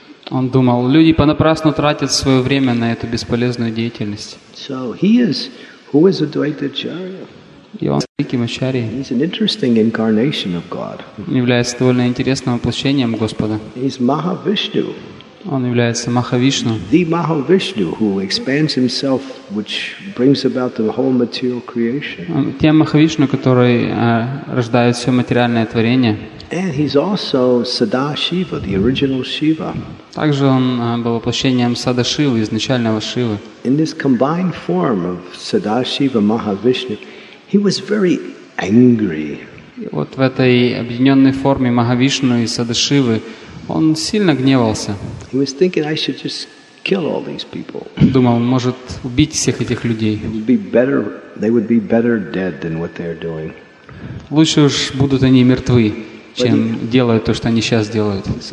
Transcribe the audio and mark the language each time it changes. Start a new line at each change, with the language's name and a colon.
Russian: Он думал, люди понапрасну тратят свое время на эту бесполезную деятельность.
English: So he is, who is Advaita Acharya?
Russian: И он великим Ачарьей.
English: He's an interesting incarnation of God.
Russian: Он является довольно интересным воплощением Господа.
English: He's Mahavishnu.
Russian: Он является Махавишну.
English: The Mahavishnu who expands himself, which brings about the whole material creation.
Russian: Он тем Махавишну, который рождает все материальное творение.
English: And he's also Sadashiva, the original Shiva.
Russian: Также он был воплощением Садашивы, изначального Шивы.
English: In this combined form of Sadashiva Mahavishnu, he was very angry.
Russian: Вот в этой объединенной форме Махавишну и Садашивы он сильно гневался.
English: He was thinking I should just kill all these people.
Russian: Думал, может убить всех этих людей.
English: It would be better, they would be better dead than what they are doing.
Russian: Лучше уж будут они мертвы, чем делают то, что они сейчас делают.